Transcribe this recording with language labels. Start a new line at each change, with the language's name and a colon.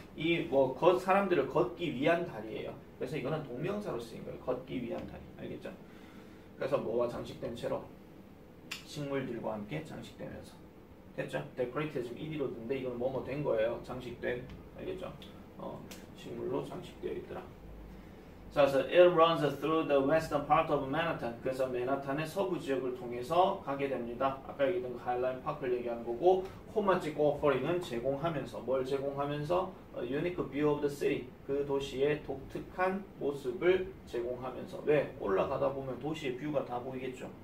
Korean: 이뭐 사람들을 걷기 위한 다리예요. 그래서 이거는 동명사로 쓰인 거예요. 걷기 위한 다리, 알겠죠? 그래서 뭐가 장식된 채로 식물들과 함께 장식되면서 됐죠? decorated 지금 1위로 든데 이건 뭐뭐 된 거예요. 장식된, 알겠죠? 식물로 장식되어 있더라. 자,
English: so it runs through the western part of Manhattan.
Korean: 그래서 맨하탄의 서부 지역을 통해서 가게 됩니다. 아까 얘기했던 그 하이라인 파크를 얘기하는 거고, 코마치 워퍼링은 제공하면서, 뭘 제공하면서?
English: A unique view of the city.
Korean: 그 도시의 독특한 모습을 제공하면서. 왜? 올라가다 보면 도시의 뷰가 다 보이겠죠.